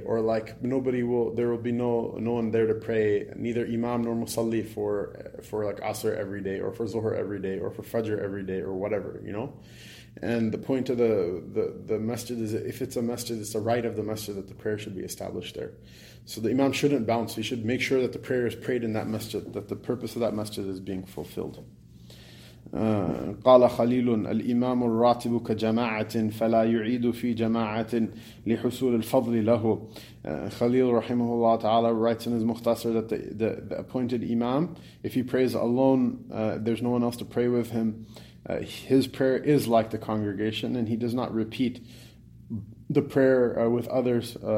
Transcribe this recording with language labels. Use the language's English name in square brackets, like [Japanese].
[English] Or, like, there will be no one there to pray, neither imam nor musalli, for like, asr every day, or for zuhr every day, or for fajr every day, or whatever, you know? And the point of the masjid is that if it's a masjid, it's the right of the masjid that the prayer should be established there. So the imam shouldn't bounce. He should make sure that the prayer is prayed in that masjid, that the purpose of that masjid is being fulfilled. [Arabic] قال خليل الإمام الراتب كجماعة فلا يعيد في جماعة لحصول الفضل له. [English] خليل [Arabic] رحمه الله تعالى [English] writes in his مختصر that the appointed imam, if he prays alone, there's no one else to pray with him. His prayer is like the congregation, and he does not repeat the prayer with others